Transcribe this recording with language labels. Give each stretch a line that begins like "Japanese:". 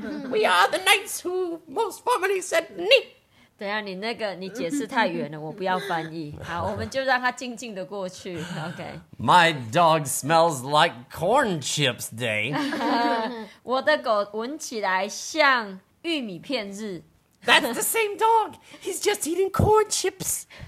English: We are the knights who most formally said ni.
Chinese: 等一下,你解释太远了,我不要翻译。好,我们就让它静静地过去, okay.
English: My dog smells like corn chips day.
Chinese: 我的狗闻起来像玉米片日。
English: That's the same dog. He's just eating corn chips.